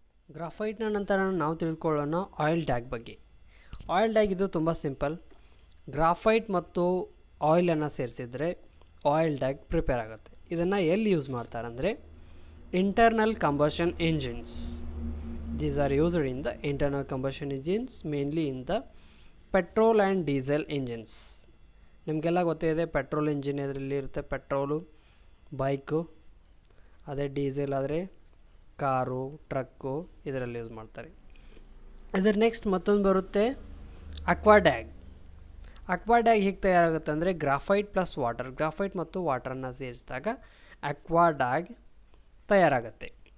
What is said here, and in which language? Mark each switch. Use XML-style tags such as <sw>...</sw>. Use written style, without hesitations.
<kn>ಗ್ರಾಫೈಟ್ನ ನಂತರ ನಾವು ತಿಳ್ಕೊಳ್ಳೋಣ ಆಯಿಲ್ ಡ್ಯಾಗ್ ಬಗ್ಗೆ. ಆಯಿಲ್ ಡ್ಯಾಗ್ ಇದು ತುಂಬ ಸಿಂಪಲ್. ಗ್ರಾಫೈಟ್ ಮತ್ತು ಆಯಿಲನ್ನು ಸೇರಿಸಿದರೆ ಆಯಿಲ್ ಡ್ಯಾಗ್ ಪ್ರಿಪೇರ್ ಆಗುತ್ತೆ. ಇದನ್ನು ಎಲ್ಲಿ ಯೂಸ್ ಮಾಡ್ತಾರೆ ಅಂದರೆ internal combustion engines.</kn> <en>These are used in the internal combustion engines, mainly in the petrol and diesel engines.</en> <kn>ನಿಮಗೆಲ್ಲ ಗೊತ್ತೇ ಇದೆ ಪೆಟ್ರೋಲ್ ಇಂಜಿನ್ ಇದರಲ್ಲಿ ಇರುತ್ತೆ, ಪೆಟ್ರೋಲು ಬೈಕು, ಅದೇ ಡೀಸೆಲ್ ಆದರೆ ಕಾರು ಟ್ರಕ್ಕು ಇದರಲ್ಲಿ ಯೂಸ್ ಮಾಡ್ತಾರೆ. ಇದ್ರ ನೆಕ್ಸ್ಟ್ ಮತ್ತೊಂದು ಬರುತ್ತೆ ಅಕ್ವಾಡ್ಯಾಗ್. ಅಕ್ವಾಡ್ಯಾಗ್ ಹೇಗೆ ತಯಾರಾಗುತ್ತೆ ಅಂದರೆ</kn> <en>graphite plus water,</en> <kn>ಗ್ರಾಫೈಟ್ ಮತ್ತು ವಾಟರನ್ನು ಸೇರಿಸಿದಾಗ ಅಕ್ವಾಡ್ಯಾಗ್ ತಯಾರಾಗುತ್ತೆ.</kn>